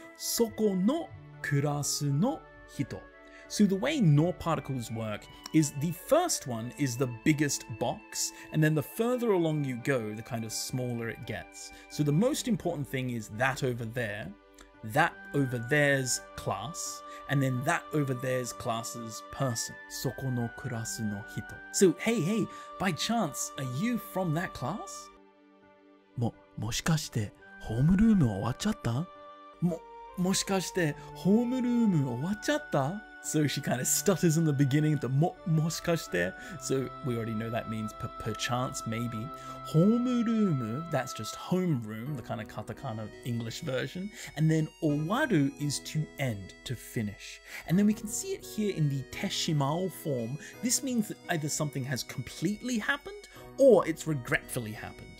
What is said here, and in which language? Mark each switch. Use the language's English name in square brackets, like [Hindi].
[Japanese] Soko no kurasu no hito. [English] So the way no particles work is the first one is the biggest box, and then the further along you go, the kind of smaller it gets. So the most important thing is that over there, that over there's class, and then that over there's class's person. [Japanese] Soko no kurasu no hito. [English] So hey, hey, by chance, are you from that class? [Japanese] Mo, moshikashite ホームルーム終わっちゃった？もしかしてホームルーム終わっちゃった？ [English] So she kind of stutters in the beginning to もしかして。 So we already know that means perchance, maybe. ホームルーム, that's just homeroom, the kind of katakana English version. And then 終わる is to end, to finish. And then we can see it here in the teshimau form. This means that either something has completely happened or it's regretfully happened.